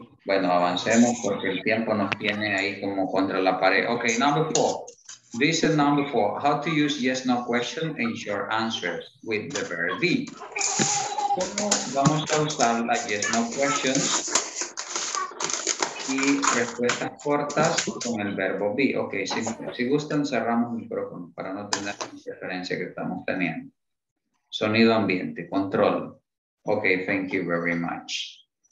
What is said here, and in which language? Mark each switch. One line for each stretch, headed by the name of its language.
Spanish: Bueno, avancemos porque el tiempo nos tiene ahí como contra la pared.
English: Okay, number four. Lesson number four, how to use yes, no question in your answers with the verb be.
Spanish: ¿Cómo vamos a usar las yes, no questions y respuestas cortas con el verbo be? Ok, si gustan, cerramos el micrófono para no tener la interferencia que estamos teniendo. Sonido ambiente, control.
English: Ok, thank you very much.